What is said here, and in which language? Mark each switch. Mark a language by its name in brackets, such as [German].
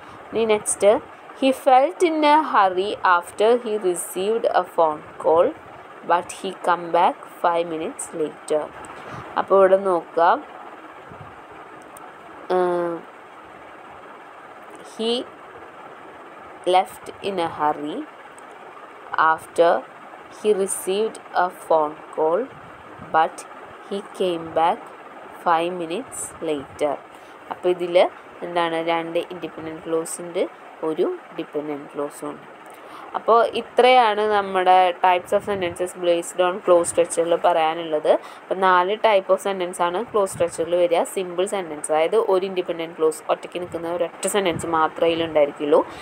[English] ഇനി next, he felt in a hurry after he received a phone call but he come back 5 minutes later. [Malayalam] അപ്പോൾ ഇവിടെ നോക്കുക, [English] He left in a hurry after he received a phone call, but he came back 5 minutes later. [Malayalam] അപ്പോൾ ഇതിൽ എന്താണ് രണ്ട് independent close ഉണ്ട്, ഒരു dependent ക്ലോസും ഉണ്ട്. അപ്പോൾ ഇത്രയാണ് നമ്മുടെ types of sentences based on close സ്ട്രക്ചറിൽ പറയാനുള്ളത്. അപ്പോൾ 4 ടൈപ്പ് ഓഫ് സെൻറ്റൻസ് ആണ് ക്ലോസ് സ്ട്രക്ചറിൽ വരിക. സിമ്പിൾ സെൻറ്റൻസ്, അതായത് ഒരു ഇൻഡിപെൻഡൻറ്റ് ക്ലോസ്, ഒറ്റയ്ക്ക് നിൽക്കുന്ന ഒരൊറ്റ സെൻറ്റൻസ് മാത്രമേ ഉണ്ടായിരിക്കുള്ളൂ.